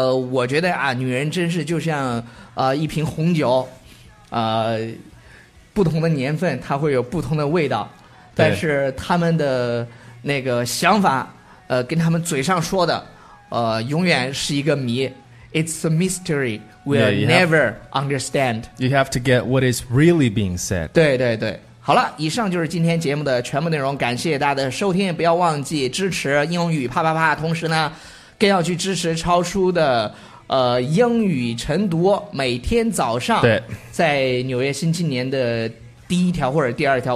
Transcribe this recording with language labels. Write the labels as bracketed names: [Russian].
[Chinese] 我觉得啊，女人真是就像一瓶红酒，不同的年份它会有不同的味道，但是他们的那个想法，跟他们嘴上说的，永远是一个谜。 [English] It's a mystery we'll never understand. You have to get what is really being said. [Chinese] 对对对。好了，以上就是今天节目的全部内容，感谢大家的收听，不要忘记支持英语啪啪啪，同时呢更要去支持超叔的英语晨读，每天早上在纽约新青年的第一条或者第二条。